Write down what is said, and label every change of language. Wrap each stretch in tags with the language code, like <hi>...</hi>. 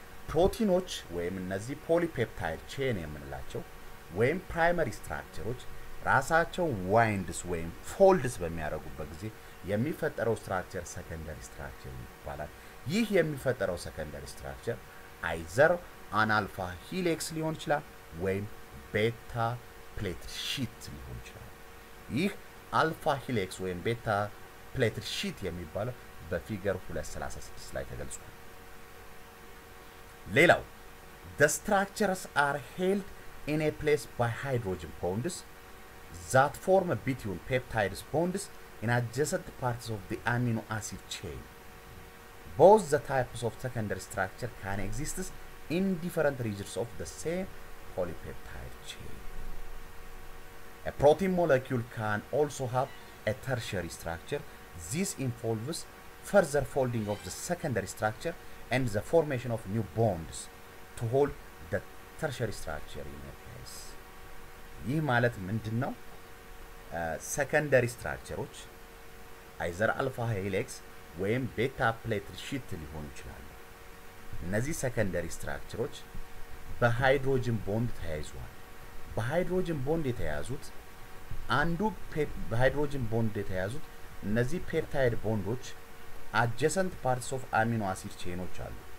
<am>ፕሮቲኖች ወይም እነዚህ ፖሊፔፕታይድ ቼን የምንላቸው ወይም ፕራይመሪ ስትራክቸሮች ራሳቸው ዋይንድስ ወይም ፎልድስ በሚያረጉበት ጊዜ የሚፈጠረው ስትራክቸር ሰከንደሪ ስትራክቸር ይባላል። ይህ የሚፈጠረው ሰከንደሪ ስትራክቸር አይዘር አንአልፋ ሂሌክስ ሊሆን ይችላል ወይም ቤታ ፕሌት ሺት ሊሆን ይችላል። ይህ አልፋ ሂሌክስ ወይም ቤታ ፕሌት ሺት የሚባለው በፊገር 236 ላይ ተገልጿል። ሌላው</am> <en>the structures are held in a place by hydrogen bonds that form between peptide bonds in adjacent parts of the amino acid chain. Both the types of secondary structure can exist in different regions of the same polypeptide chain. A protein molecule can also have a tertiary structure. This involves further folding of the secondary structure and the formation of new bonds to hold the tertiary structure in place.</en> <am>ይህ ማለት ምንድን ነው?</am> <en>Secondary structures, either alpha helix</en> <am>ወይም ቤታ ፕሌት ሺት ሊሆኑ ይችላሉ። እነዚህ ሰከንደሪ ስትራክቸሮች በሃይድሮጅን ቦንድ ተያይዟል። በሃይድሮጅን ቦንድ የተያዙት አንዱ በሃይድሮጅን ቦንድ የተያዙት እነዚህ ፔፕታይድ ቦንዶች አጀሰንት ፓርትስ ኦፍ አሚኖ አሲድ ቼኖች አሉ።</am>